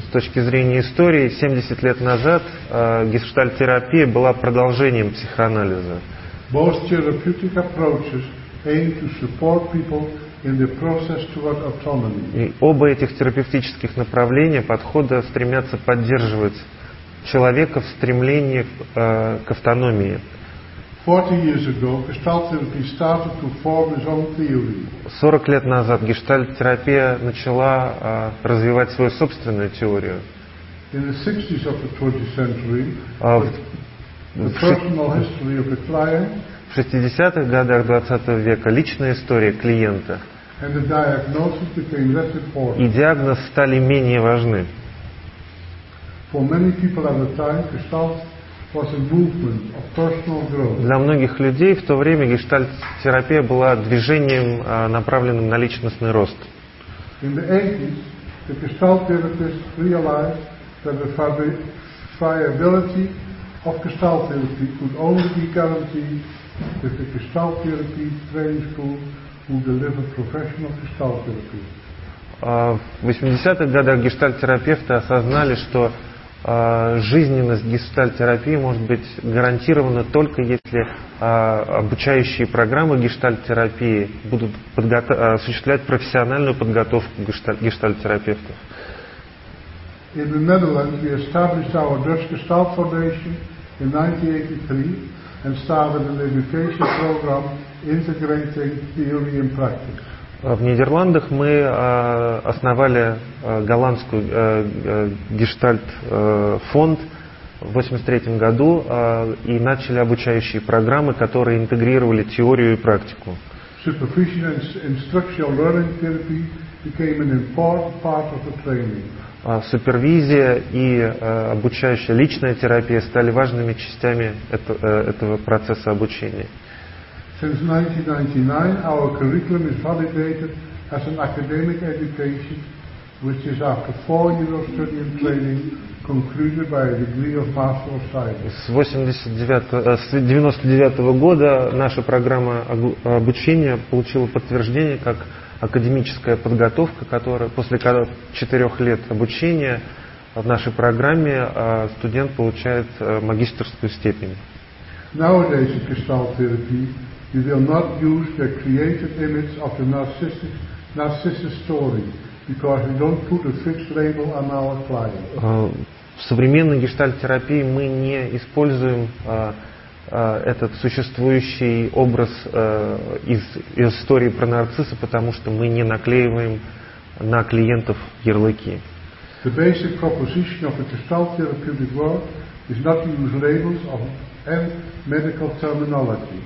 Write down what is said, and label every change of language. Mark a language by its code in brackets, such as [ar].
[ru] С точки зрения истории, 70 лет назад гештальт-терапия была продолжением психоанализа. [en] Both therapeutic approaches aim to support people in the process toward autonomy. [ru] И оба этих терапевтических направления подхода стремятся поддерживать человека в стремлении к автономии. [en] 40 years ago, gestalt therapy started to form its own theory. [ru] 40 лет назад гештальт-терапия начала развивать свою собственную теорию. [en] In the 60s of the 20th century, the personal history of the client. [ru] В 60-х годах 20 века личная история клиента [en] and the diagnosis became less important. [ru] И диагноз стали менее важны. [en] For many people at the time, gestalt was a movement of personal growth. [ru] Для многих людей в то время гештальт-терапия была движением, направленным на личностный рост. [en] In the 80s, the gestalt therapists realized that the viability of gestalt therapy could only be guaranteed if the gestalt therapy training school who deliver professional gestalt therapy. [ru] В 80-х годах гештальт-терапевты осознали, что жизненность гештальт-терапии может быть гарантирована только если обучающие программы гештальт-терапии будут осуществлять профессиональную подготовку гештальт-терапевтов. [en] In the Netherlands, we established our Dutch Gestalt Foundation in 1983 and started an education program integrating theory and practice. [ru] В Нидерландах мы основали голландскую гештальт фонд в 83 году и начали обучающие программы, которые интегрировали теорию и практику. [en] Supervision and instructional learning therapy became an important part of the training. [ru] Супервизия и обучающая личная терапия стали важными частями этого процесса обучения. [en] Since 1999, our curriculum is validated as an academic education, which is after 4 years of study and training, concluded by a degree of Master of Science. [ru] С 99 года наша программа обучения получила подтверждение как академическая подготовка, которая после 4 лет обучения в нашей программе студент получает магистерскую степень. [en] Nowadays, in Gestalt therapy, you will not use the created image of the narcissist story, because we don't put a fixed label on our client. [ru] В современной гештальт-терапии мы не используем этот существующий образ из истории про нарцисса, потому что мы не наклеиваем на клиентов ярлыки. [en] The basic proposition of the gestalt therapeutic world is not to use labels of and medical terminology.